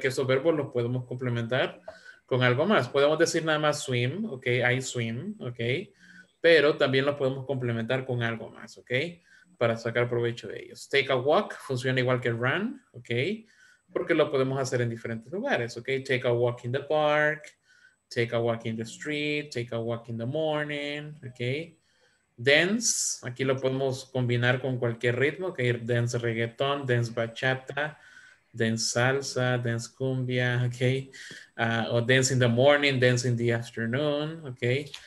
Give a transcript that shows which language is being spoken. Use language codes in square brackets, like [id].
[es] Que esos verbos los podemos complementar con algo más. Podemos decir nada más [en] swim, [es] ok, [en] I swim, [es] ok. Pero también los podemos complementar con algo más, ok. Para sacar provecho de ellos. [en] Take a walk [es] funciona igual que [en] run, [es] ok. Porque lo podemos hacer en diferentes lugares, ok. [en] Take a walk in the park, take a walk in the street, take a walk in the morning, ok. Dance, [es] aquí lo podemos combinar con cualquier ritmo, que okay? [en] Dance reggaeton, dance bachata, dance salsa, dance cumbia, okay? [es] O [en] dance in the morning, dance in the afternoon, okay?